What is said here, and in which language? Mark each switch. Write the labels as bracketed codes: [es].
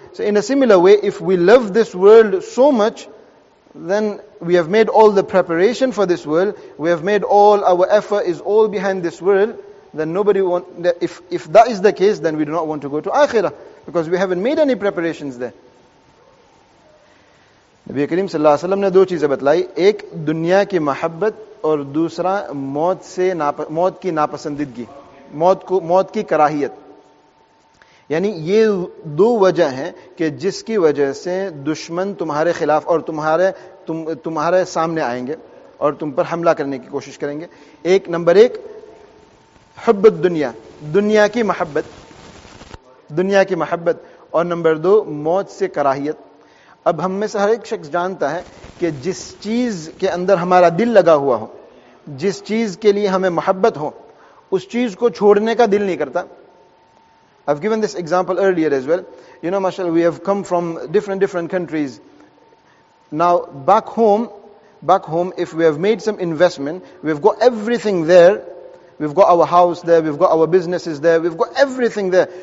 [en] So in a similar way, if we love this world so much, then we have made all the preparation for this world, we have made all our effort is all behind this world, then nobody want, if that is the case, then we do not want to go to Akhirah, because we haven't made any preparations there. [ur] نبی کریم صلی اللہ علیہ وسلم نے دو چیزیں بتلائی, ایک دنیا کی محبت اور دوسرا موت سے موت کی ناپسندیدگی, موت کو, موت کی کراہیت. یعنی یہ دو وجہ ہیں کہ جس کی وجہ سے دشمن تمہارے خلاف اور تمہارے سامنے آئیں گے اور تم پر حملہ کرنے کی کوشش کریں گے. ایک, نمبر ایک حب الدنیا, دنیا کی محبت, دنیا کی محبت, اور نمبر دو موت سے کراہیت. اب ہم میں سے ہر ایک شخص جانتا ہے کہ جس چیز کے اندر ہمارا دل لگا ہوا ہو, جس چیز کے لیے ہمیں محبت ہو, اس چیز کو چھوڑنے کا دل نہیں کرتا. [en] I've given this example earlier as well. You know, mashallah, we have come from different countries. Now, back home, if we have made some investment, we've got everything there, We've got our house there. We've got our businesses there. We've got everything there.